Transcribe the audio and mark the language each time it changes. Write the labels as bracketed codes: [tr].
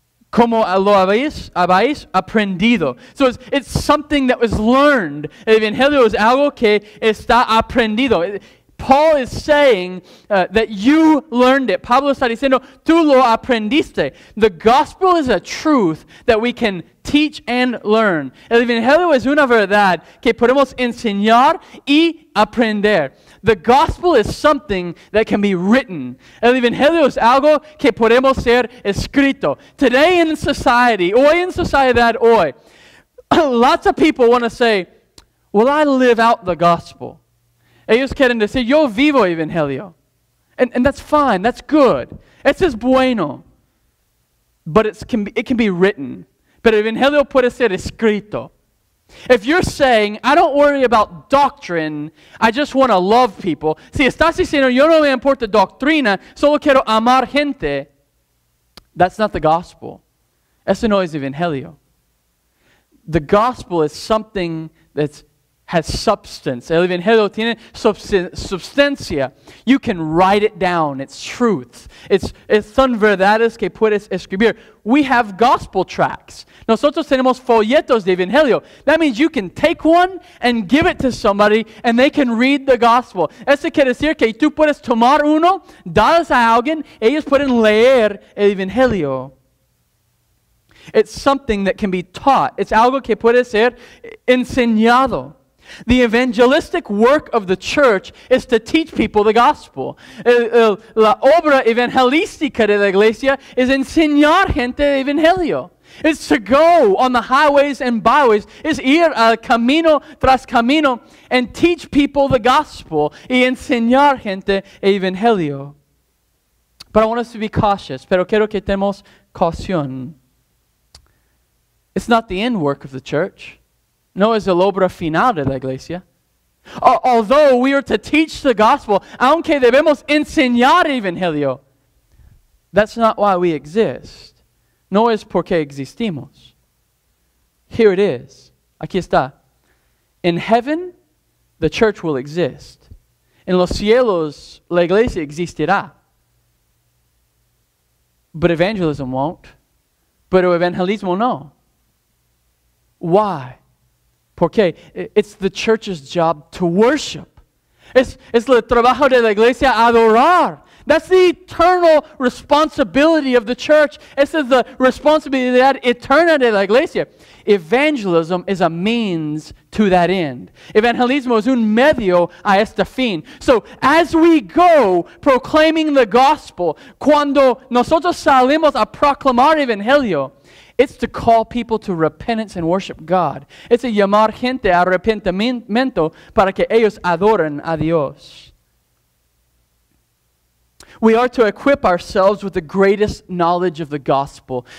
[es] Como lo habéis aprendido. [en] So it's something that was learned. [es] El evangelio es algo que está aprendido. [en] Paul is saying that you learned it. [es] Pablo está diciendo, tú lo aprendiste. [en] The gospel is a truth that we can teach and learn. [es] El evangelio es una verdad que podemos enseñar y aprender. [en] The gospel is something that can be written. [es] El evangelio es algo que podemos ser escrito. [en] Today in society, [es] hoy en sociedad, hoy, [en] lots of people want to say, well, I live out the gospel. [es] Ellos quieren decir, yo vivo evangelio. [en] And that's fine, that's good. [es] Eso es bueno. [en] But it can be written. [es] Pero evangelio puede ser escrito. [en] If you're saying, I don't worry about doctrine, I just want to love people. [es] Si estás diciendo, yo no me importa doctrina, solo quiero amar gente. [en] That's not the gospel. [es] Eso no es evangelio. [en] The gospel is something that's has substance. [es] El evangelio tiene substancia. [en] You can write it down. It's truth. [es] It's son verdades que puedes escribir. [en] We have gospel tracts. [es] Nosotros tenemos folletos de evangelio. [en] That means you can take one and give it to somebody and they can read the gospel. [es] Eso quiere decir que tú puedes tomar uno, darles a alguien, ellos pueden leer el evangelio. [en] It's something that can be taught. [es] It's algo que puede ser enseñado. [en] The evangelistic work of the church is to teach people the gospel. [es] La obra evangelística de la iglesia es enseñar gente el evangelio. [en] It's to go on the highways and byways. [es] Es ir al camino tras camino [en] and teach people the gospel [es] y enseñar gente el evangelio. [en] But I want us to be cautious. [es] Pero quiero que tengamos caución. [en] It's not the end work of the church. [es] No es el obra final de la iglesia. [en] Although we are to teach the gospel, [es] aunque debemos enseñar evangelio, [en] that's not why we exist. [es] No es porque existimos. [en] Here it is. [es] Aquí está. [en] In heaven, the church will exist. [es] En los cielos, la iglesia existirá. [en] But evangelism won't. [es] Pero evangelismo no. [en] Why? [es] ¿Por qué? [en] It's the church's job to worship. [es] Es el trabajo de la iglesia adorar. [en] That's the eternal responsibility of the church. [es] Esa es la responsabilidad eterna de la iglesia. [en] Evangelism is a means to that end. [es] Evangelismo es un medio a este fin. [en] So as we go proclaiming the gospel, [es] cuando nosotros salimos a proclamar evangelio, [en] it's to call people to repentance and worship God. [es] It's a llamar gente a arrepentimiento para que ellos adoren a Dios. [en] We are to equip ourselves with the greatest knowledge of the gospel.